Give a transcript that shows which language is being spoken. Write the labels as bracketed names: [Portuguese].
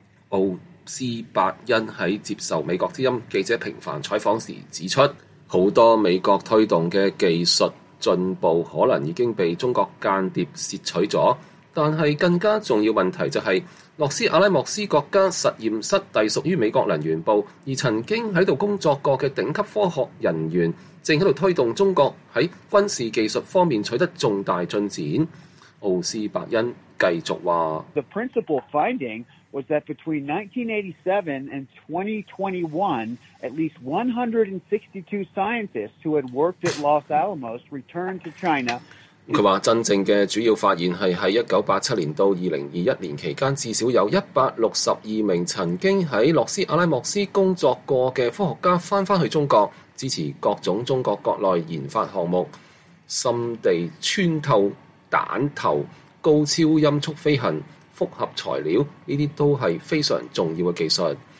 [Chinese] 奥斯伯恩在接受美国之音记者平凡采访时指出，很多美国推动的技术进步可能已经被中国间谍窃取了，但是更加重要问题就是洛斯阿拉莫斯国家实验室隶属于美国能源部，而曾经在这里工作过的顶级科学人员正在推动中国在军事技术方面取得重大进展。奥斯伯恩继续说， [English] The principal finding was that between 1987 and 2021, at least 162 scientists who had worked at Los Alamos returned to China。 [Chinese] 他说真正的主要发现是在1987年到2021年期间，至少有162名曾经在洛斯阿拉莫斯工作过的科学家翻回中国，支持各种中国国内研发项目，深地穿透弹头、高超音速飞行、复合材料，这些都是非常重要的技术。